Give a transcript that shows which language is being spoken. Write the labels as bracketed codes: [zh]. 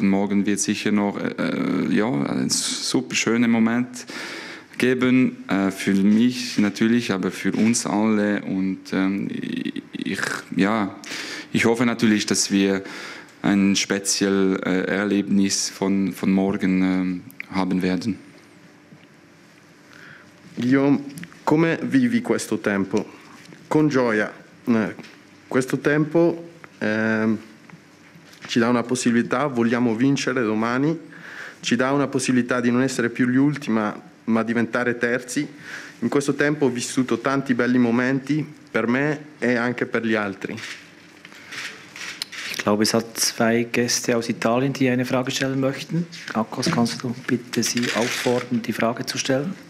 [de] Und morgen wird es sicher noch einen super schönen Moment geben. Für mich natürlich, aber für uns alle. Und ich hoffe natürlich, dass wir ein spezielles Erlebnis von morgen haben werden. [it] Guillaume, come vivi questo tempo? Con gioia. Questo tempo ci dà una possibilità, vogliamo vincere domani, ci dà una possibilità di non essere più gli ultimi, ma diventare terzi. In questo tempo ho vissuto tanti belli momenti, per me e anche per gli altri. [de] Ich glaube, es hat zwei Gäste aus Italien, die eine Frage stellen möchten. Akos, kannst du bitte sie auffordern, die Frage zu stellen?